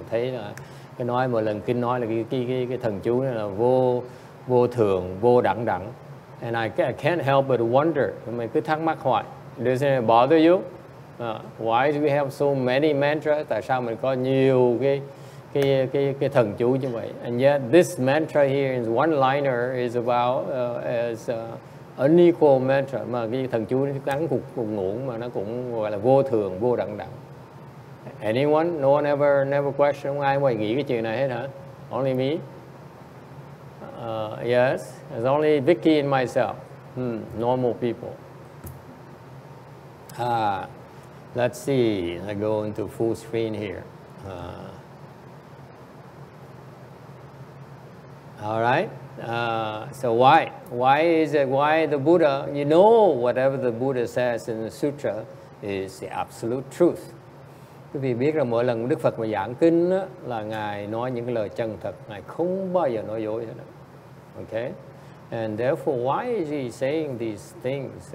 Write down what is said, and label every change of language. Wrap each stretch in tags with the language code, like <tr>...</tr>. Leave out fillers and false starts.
<vi>I thấy là cái nói mỗi lần kinh nói là cái thần chú này là vô thường, vô đẳng đẳng.</vi> <en>And I can't help but wonder,</en> <vi>mình cứ thắc mắc hoài,</vi> <en>does it bother you? Why do we have so many mantras?</en> <vi>Tại sao mình có nhiều cái thần chú như vậy?</vi> <en>And yet this mantra here is one liner is about as unequal mantra,</en> <vi>mà cái thần chú nó cắn cục ngủ mà nó cũng gọi là vô thường, vô đẳng đẳng.</vi> <en>Anyone? No one ever never questioned why I would</en> <vi>nghĩ cái chuyện này hết hả?</vi> <en>Only me? Yes, it's only Vicky and myself. Normal people. Let's see. I go into full screen here. All right. So why? Why is it? Why the Buddha? You know, whatever the Buddha says in the sutra is the absolute truth.</en> <vi>Quý vị biết là mỗi lần Đức Phật mà giảng kinh đó, là ngài nói những lời chân thật, ngài không bao giờ nói dối hết.</vi> <en>Okay. And therefore, why is he saying these things?</en>